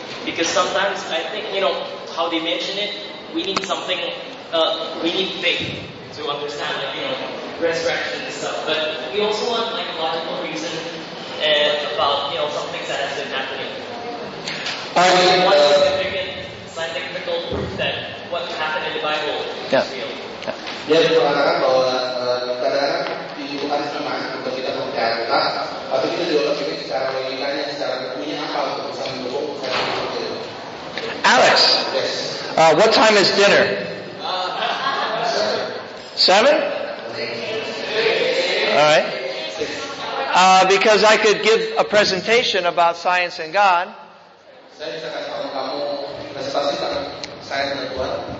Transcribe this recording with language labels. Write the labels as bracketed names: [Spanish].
[English] Because sometimes I think, you know, how they mention it, we need something, we need faith to understand, like, you know, resurrection and stuff. But we also want like a logical reason and about, you know, some things that have been happening. So one significant scientific proof that what happened in the Bible is real. [Indonesian] Dia berkata bahwa kadang-kadang dibutuhkan teman untuk kita mempercayai kita, atau kita juga lebih secara logikanya, secara punya apa untuk bisa mendukung saya seperti itu. [English] Alex, yes. What time is dinner? 7. 7? All right. Because I could give a presentation about science and God. [Indonesian] Saya bisa kasih tahu kamu presentasi tentang science dan Tuhan.